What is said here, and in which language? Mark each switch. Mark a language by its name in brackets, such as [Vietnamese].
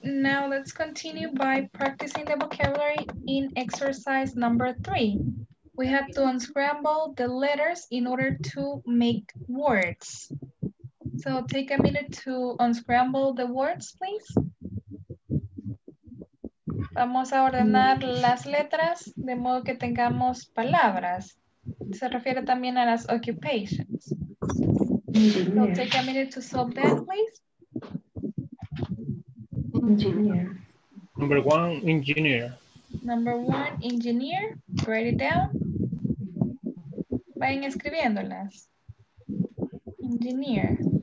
[English] Now let's continue by practicing the vocabulary in exercise number 3. We have to unscramble the letters in order to make words. So take a minute to unscramble the words, please. [Spanish] Vamos a ordenar las letras de modo que tengamos palabras. Se refiere también a las occupations. [English] So take a minute to solve that, please. Engineer. Number one, engineer. Number one, engineer. Write it down. [Spanish] Vayan escribiéndolas. [English] Engineer.